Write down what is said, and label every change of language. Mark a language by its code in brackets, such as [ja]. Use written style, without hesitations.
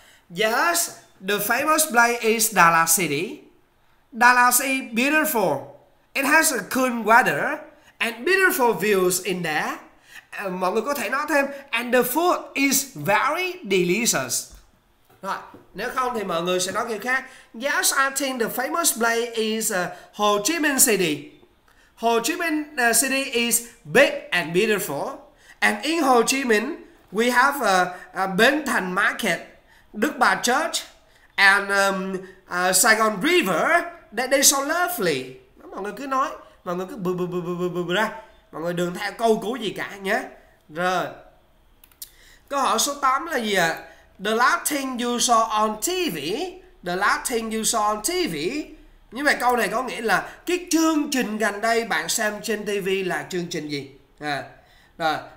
[en] Yes, the famous place is Dallas City. Dallas is beautiful. It has a cool weather. And beautiful views in there. [vi] Mọi người có thể nói thêm [en] and the food is very delicious. [vi] Rồi, nếu không thì mọi người sẽ nói kiểu khác. [en] Yes, I think the famous place is Ho Chi Minh City. Ho Chi Minh City is big and beautiful. And in Ho Chi Minh, we have a Bến Thành Market, Đức Bà Church, and Saigon River. They so lovely. [vi] Mọi người cứ nói. Mọi người cứ bừ ra. Mọi người đừng theo câu cú gì cả nhé. Rồi. Câu hỏi số 8 là gì ạ? [en] The last thing you saw on TV. The last thing you saw on TV. [vi] Nhưng mà câu này có nghĩa là cái chương trình gần đây bạn xem trên TV là chương trình gì? Rồi.